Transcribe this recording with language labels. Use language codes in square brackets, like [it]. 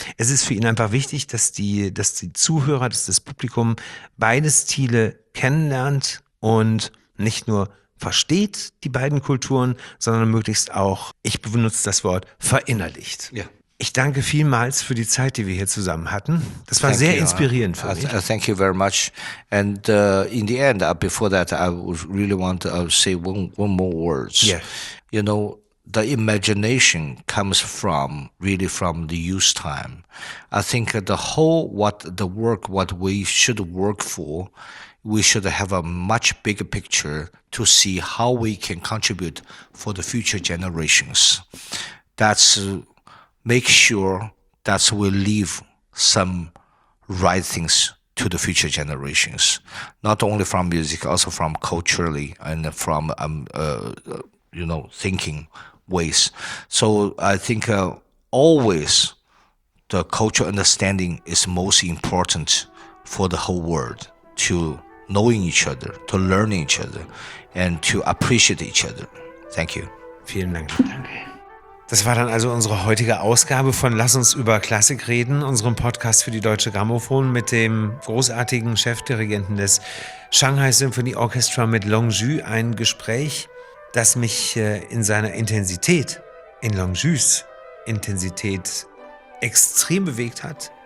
[de] Es ist für ihn einfach wichtig, dass die Zuhörer, dass das Publikum beide Stile kennenlernt und nicht nur versteht die beiden Kulturen, sondern möglichst auch, ich benutze das Wort, verinnerlicht. Ja. Ich danke vielmals für die Zeit, die wir hier zusammen hatten. Das war sehr inspirierend für mich. [en] Thank you very much. And in the end, before that, I really want to say one more words. Yeah. You know, the imagination comes from really from the youth time. I think what we should work for, we should have a much bigger picture to see how we can contribute for the future generations. That's make sure that we leave some right things to the future generations, not only from music, also from culturally and from you know, thinking ways. So I think always the cultural understanding is most important for the whole world, to knowing each other, to learning each other, and to appreciate each other. Thank you. [de] Vielen Dank. Das war dann also unsere heutige Ausgabe von Lass uns über Klassik reden, unserem Podcast für die Deutsche Grammophon mit dem großartigen Chefdirigenten des Shanghai Symphony Orchestra mit Longyu. Ein Gespräch, das mich in seiner Intensität, in Longyus Intensität extrem bewegt hat.